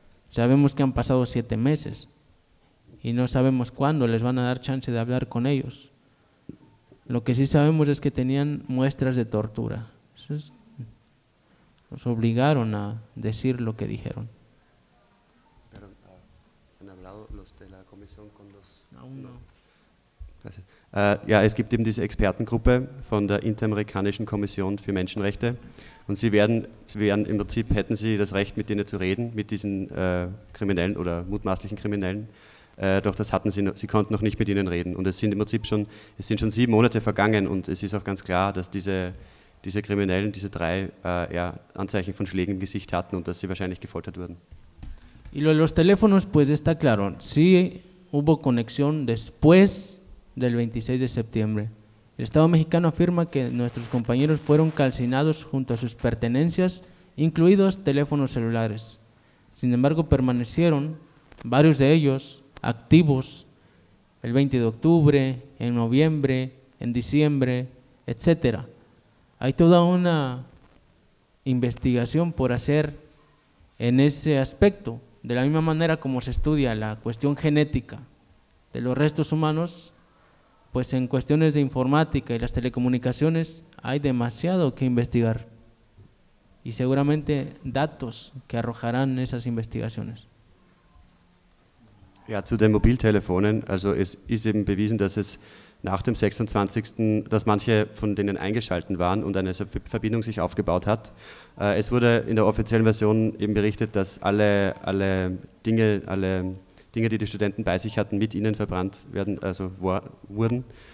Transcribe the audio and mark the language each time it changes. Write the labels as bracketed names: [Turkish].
[Spanish] Sabemos que han pasado 7 meses y no sabemos cuándo les van a dar chance de hablar con ellos. Lo que sí sabemos es que tenían muestras de tortura. Nos obligaron a decir lo que dijeron. Pero, ¿han hablado los de la comisión con los...? Aún no. Gracias. [German] Ja, es gibt eben diese Expertengruppe von der Interamerikanischen Kommission für Menschenrechte und sie werden im Prinzip, hätten sie das Recht, mit denen zu reden, mit diesen Kriminellen oder mutmaßlichen Kriminellen, doch das hatten sie, noch, sie konnten noch nicht mit ihnen reden und es sind schon 7 Monate vergangen und es ist auch ganz klar, dass diese Kriminellen, diese drei Anzeichen von Schlägen im Gesicht hatten und dass sie wahrscheinlich gefoltert wurden. [Spanish] Y los teléfonos, pues está claro, sí hubo conexión después del 26 de septiembre. El Estado mexicano afirma que nuestros compañeros fueron calcinados junto a sus pertenencias, incluidos teléfonos celulares. Sin embargo, permanecieron varios de ellos activos el 20 de octubre, en noviembre, en diciembre, etc. Hay toda una investigación por hacer en ese aspecto. De la misma manera como se estudia la cuestión genética de los restos humanos, pues en cuestiones de informática y las telecomunicaciones hay demasiado que investigar y seguramente datos que arrojarán esas investigaciones. [German] Ja, zu den Mobiltelefonen, also es ist eben bewiesen, dass es nach dem 26., dass manche von denen eingeschaltet waren und eine Verbindung sich aufgebaut hat. Es wurde in der offiziellen Version eben berichtet, dass alle Dinge, die Studenten bei sich hatten, mit ihnen verbrannt werden, also wurden.